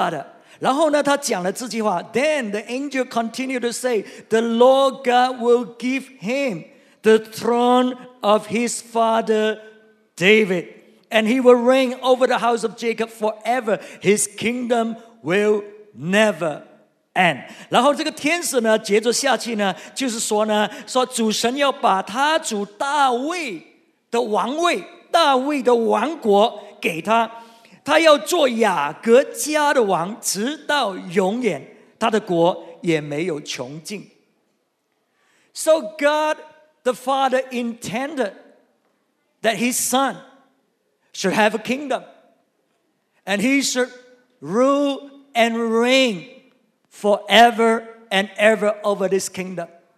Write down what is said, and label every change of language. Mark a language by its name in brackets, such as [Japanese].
[Chinese] 所以这个天使呢，就向玛利亚宣告说：“你要生子，这个儿子呢，你要叫他做耶稣，他是至高神的儿子，他是成为伟大的。”然后呢，他讲了这句话。Then [English] the angel continued to say, "The Lord God will give him the throne of his father David, and he will reign over the house of Jacob forever. His kingdom will never." [Chinese] And 然后这个天使呢，接着下去呢，就是说呢，说主神要把他主大卫的王位，大卫的王国给他，他要做雅各家的王，直到永远，他的国也没有穷尽。So [English] God the Father intended that His Son should have a kingdom, and He should rule and reign. Forever and ever over this kingdom.